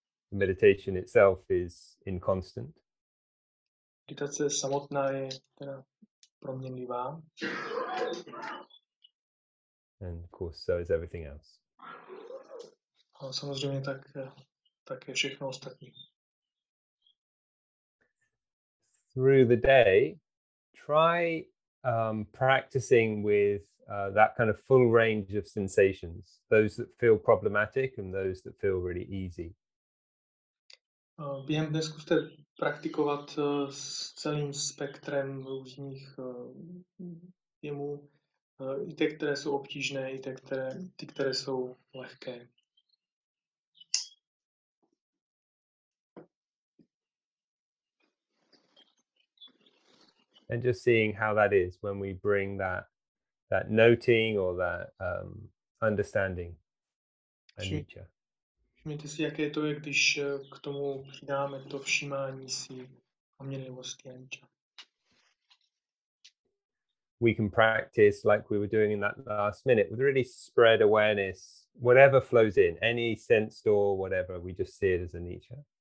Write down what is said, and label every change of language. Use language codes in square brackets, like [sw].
[en] Meditation itself is inconstant. [cs] Meditace samotná je teda proměnlivá. [en] And of course, so is everything else. [cs] A samozřejmě tak je všechno ostatní. [en] Through the day, try practicing with that kind of full range of sensations, those that feel problematic and those that feel really easy. [cs] Během dne zkuste praktikovat s celým spektrem různých jemů, i ty, které jsou obtížné, i ty, které jsou lehké. [en] And just seeing how that is when we bring that noting or that understanding anicca. [cs] Všimněte si, jaké to je, když k tomu přidáme to všímání si proměnlivosti anicca. [en] We can practice like we were doing in that last minute with really spread awareness, whatever flows in, any sense door, whatever, we just see it as anicca.